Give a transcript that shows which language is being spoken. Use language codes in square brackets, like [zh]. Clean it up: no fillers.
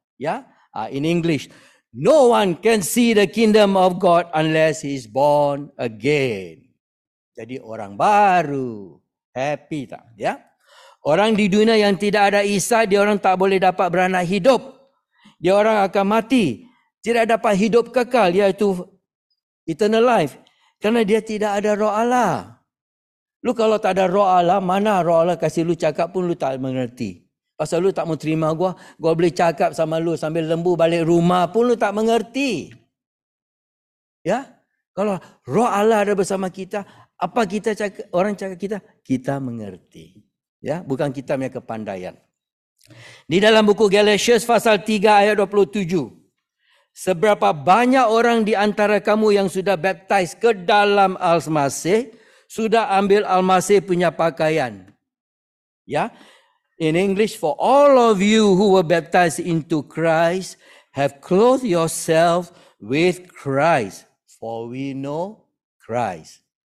[en] Ya, in English, no one can see the kingdom of God unless he is born again. [ms] Jadi orang baru, happy tak? Ya. Orang di dunia yang tidak ada Isa, dia orang tak boleh dapat beranak hidup. Dia orang akan mati. Tidak dapat hidup kekal, iaitu eternal life. Karena dia tidak ada Roh Allah. Lu kalau tak ada Roh Allah, mana Roh Allah kasih lu cakap pun lu tak mengerti. Pasal lu tak mau terima gua, gua boleh cakap sama lu sambil lembu balik rumah pun lu tak mengerti. Ya? Kalau Roh Allah ada bersama kita, apa kita cakap, orang cakap kita, kita mengerti. Ya, bukan kita punya kepandaian. Di dalam buku Galatians pasal 3 ayat 27. Seberapa banyak orang di antara kamu yang sudah baptize ke dalam Almasih, sudah ambil Almasih punya pakaian. Ya. [en] In English, for all of you who were baptized into Christ, have clothed yourself with Christ, for we know Christ.